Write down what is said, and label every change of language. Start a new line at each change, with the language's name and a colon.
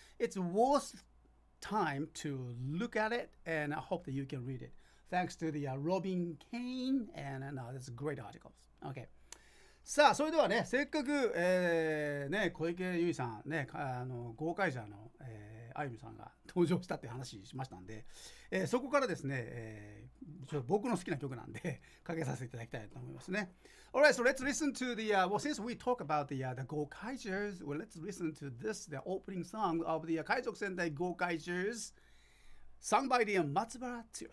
English: It's worth time to look at it, and I hope that you can read it. Thanks to the Robin Kane, and that's a great article. Okay.
Japanese: さあ、それではね、せっかく、ね、小池由依さん、ね、豪快者の、あゆみさんが登場したって話しましたんで、そこからですね、ちょっと僕の好きな曲なんでかけさせていただきたいと思いますね。
English: Alright, so let's listen to the, well, since we talk about the Gokaijers, well, let's listen to this, the opening song of the 海賊戦隊 Gokaijers, sung by the 松原剛。